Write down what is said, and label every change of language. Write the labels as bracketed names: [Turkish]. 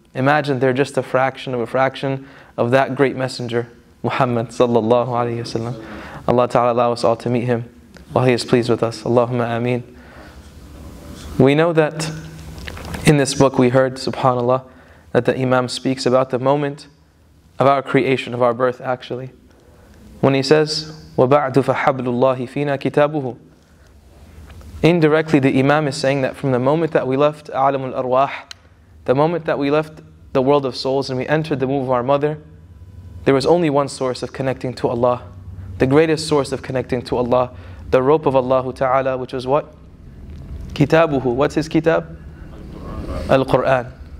[English] Imagine they're just a fraction of a fraction of that great messenger, Muhammad sallallahu alayhi wa sallam. Allah Ta'ala allow us all to meet him while he is pleased with us. Allahumma ameen. We know that in this book we heard, subhanAllah, that the Imam speaks about the moment of our creation, of our birth actually. When he says, [Arabic] وَبَعْدُ فَحَبْلُ اللَّهِ فِينَا كِتَابُهُ. [English] Indirectly, the Imam is saying that from the moment that we left Alam al-Arwah, the moment that we left the world of souls and we entered the womb of our mother, there was only one source of connecting to Allah. The greatest source of connecting to Allah, the rope of Allah Ta'ala, which was what? Kitabuhu. What's his kitab? Al-Qur'an.